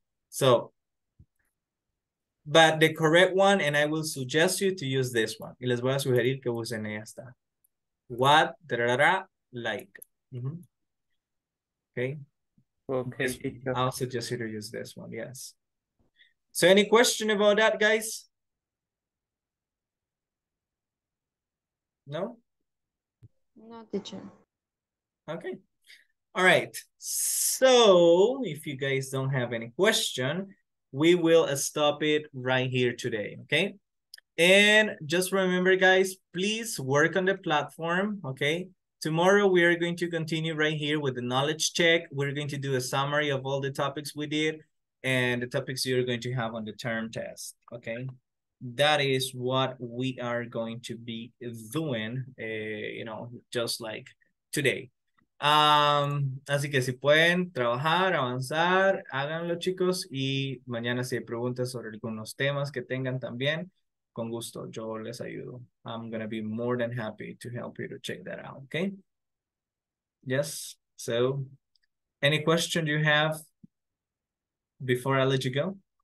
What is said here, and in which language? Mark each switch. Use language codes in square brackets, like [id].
[en] So, but the correct one, and I will suggest you to use this one. [es] Y les voy a sugerir que usen esta. [en] What, da-da-da, like. Mm-hmm. Okay. Okay. I'll suggest you to use this one, yes. So any question about that, guys? No? No, teacher. Okay. All right. So if you guys don't have any question, we will stop it right here today, okay? And just remember, guys, please work on the platform, okay? Tomorrow we are going to continue right here with the knowledge check. We're going to do a summary of all the topics we did and the topics you're going to have on the term test, okay? That is what we are going to be doing, you know, just like today. [es] Así que si pueden trabajar, avanzar, háganlo, chicos, y mañana si hay preguntas sobre algunos temas que tengan también, con gusto, yo les ayudo. [en] I'm going to be more than happy to help you to check that out, okay? Yes, so any question you have before I let you go?